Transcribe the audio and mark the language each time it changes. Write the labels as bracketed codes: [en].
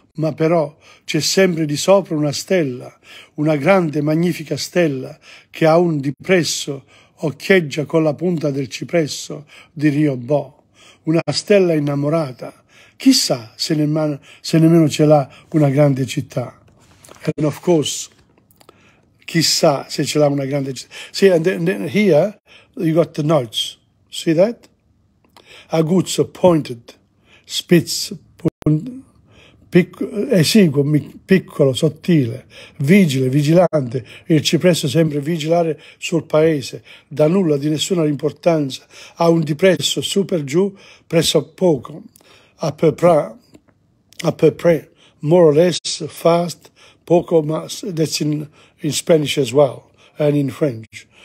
[it] Ma però c'è sempre di sopra una stella, una grande magnifica stella che ha un dipresso occhieggia con la punta del cipresso di Rio Bo. Una stella innamorata, chissà se nemmeno ce l'ha una grande città. [en] And of course, [it] chissà se ce l'ha una grande città. [en] See, and then here you got the notes. See that? [it] Aguzzo, pointed, spitz, esiguo, piccolo, sottile, vigile, vigilante, il cipresso sempre vigilare sul paese, da nulla, di nessuna importanza, ha un dipresso su per giù, presso poco, a peu près, [en] more or less, [it] fast, poco, ma [en] that's in Spanish as well, and in French.